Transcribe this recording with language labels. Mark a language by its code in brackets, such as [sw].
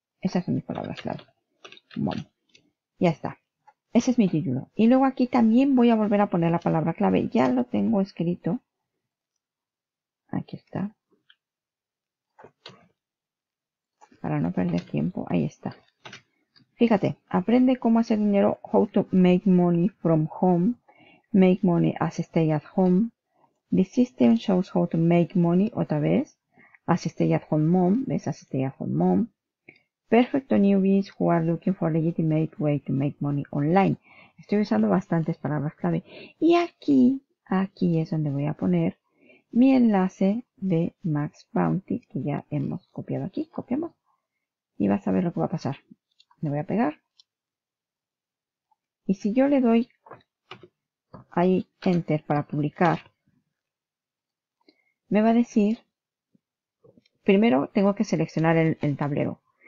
[es] Esas son mis palabras clave, mom. Ya está. Ese es mi título. Y luego aquí también voy a volver a poner la palabra clave. Ya lo tengo escrito. Aquí está. Para no perder tiempo, ahí está. Fíjate, aprende cómo hacer dinero, [en] how to make money from home. Make money as stay at home. The system shows how to make money [es] otra vez. [en] As stay at home mom. ¿Ves? As stay at home mom. Perfecto newbies who are looking for a legitimate way to make money online. [es] Estoy usando bastantes palabras clave. Y aquí es donde voy a poner mi enlace de Max Bounty que ya hemos copiado aquí. Copiamos. Y vas a ver lo que va a pasar. Le voy a pegar. Y si yo le doy ahí enter para publicar, me va a decir, primero tengo que seleccionar el tablero.